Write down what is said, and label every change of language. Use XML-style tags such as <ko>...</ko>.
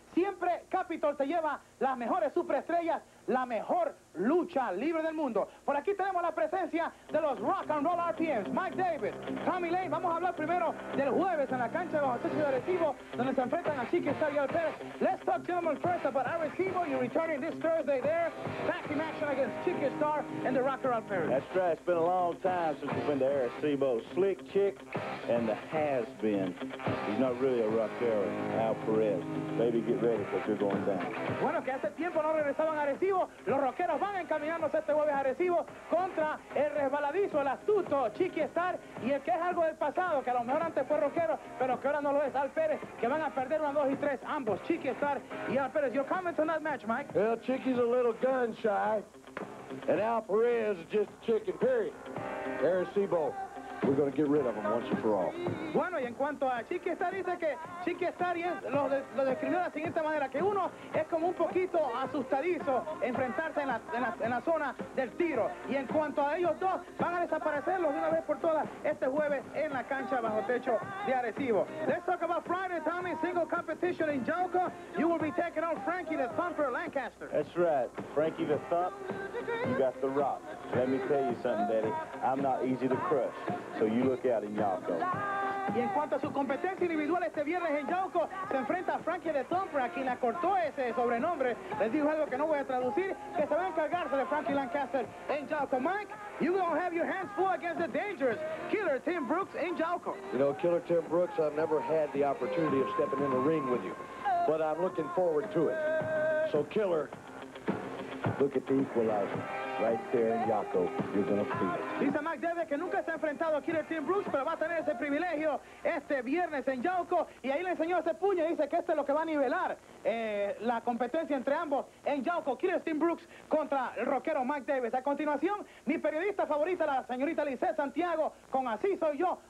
<es>Siempre Capitol te lleva las mejores superestrellas, la mejor lucha libre del mundo. Por aquí tenemos la presencia de los Rock and Roll RPMs, Mike Davis, Tommy Lane. Vamos a hablar primero del jueves en la cancha de los Baloncesto Directivo, donde se enfrentan a Chiqui Star y Al Perez.</es> <en>Let's talk, gentlemen, first about Iris Kibo. You're returning this Thursday there. Back in action against Chiqui Star and the Rocker Al Perez. That's right. It's been a long time since we've been to Iris Kibo. Slick Chick and the has-been. He's not really a rocker, Al Perez. Baby, get ready because you're going down.</en> <es>Bueno, que hace tiempo no regresaban a Arecibo. Los rockeros van encaminándose este jueves a Arecibo contra el resbaladizo, el astuto Chiqui Star, y el que es algo del pasado, que a lo mejor antes fue rockero, pero que ahora no lo es, Al Perez, que van a perder 1, 2 y 3, ambos, Chiqui Star y Al Perez.</es> <en>Your comments on that match, Mike? Well, Chiqui's a little gun shy, and Al Perez is just a chicken, period. Arecibo, we're going to get rid of him once and for all.</en> <es>Bueno, y en cuanto a Chiqui Star, dice que Chiqui Star lo describió de la siguiente manera, que uno es como un poquito asustadizo enfrentarse en la zona del tiro. Y en cuanto a ellos dos, van a desaparecerlos de una vez por todas este jueves en la cancha bajo techo de Arecibo.</es> <en>Let's talk about Friday, Tommy, single competition in Joco. You will be taking on Frankie the Thumper Lancaster. That's right. Frankie the Thump, you got the rock. Let me tell you something, Daddy. I'm not easy to crush. So you look out in Yauco.</en> <es>Y en cuanto a su competencia individual este viernes en Yauco, se enfrenta a Frankie the Thumper, a quien le cortó ese sobrenombre. Les digo algo que no voy a traducir, que se va a encargarse de Frankie Lancaster en Yauco.</es> <en>Mike, you're going to have your hands full against the dangerous Killer Tim Brooks in Yauco. You know, Killer Tim Brooks, I've never had the opportunity of stepping in the ring with you, but I'm looking forward to it. So, Killer, look at the equalizer. Right there in Yauco, you're gonna feel it.</en> <es>Dice Mike Davis que nunca se ha enfrentado a Killer Tim Brooks, pero va a tener ese privilegio este viernes en Yauco. Y ahí le enseñó ese puño y dice que esto es lo que va a nivelar la competencia entre ambos en Yauco. Killer Tim Brooks contra el rockero Mike Davis. A continuación, mi periodista favorita, la señorita Lizeth Santiago, con Así Soy Yo.</es>